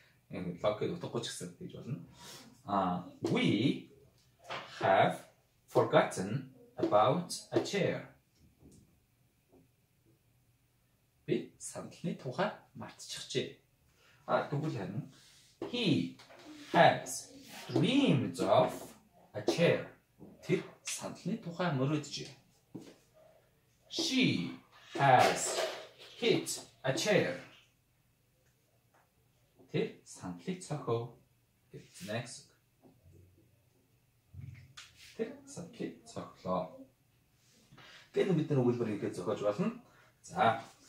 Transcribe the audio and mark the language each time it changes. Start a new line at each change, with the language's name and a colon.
Mongolian: Энэ факт утгагүй ч гэсэн гэж болно.
English: We have forgotten about a chair.
Mongolian: Би сандалны тухай мартчихжээ. Тэгвэл харин
English: he has dreamed of a chair.
Mongolian: Тэр сандалны тухай мөрөөджээ.
English: She has hit a chair.
Mongolian: Сандлыг цохов гэж next үг. Тэг сандлыг цохлоо. Тэгээд бид нэг үйлбэр ингэж зохиож байна. За.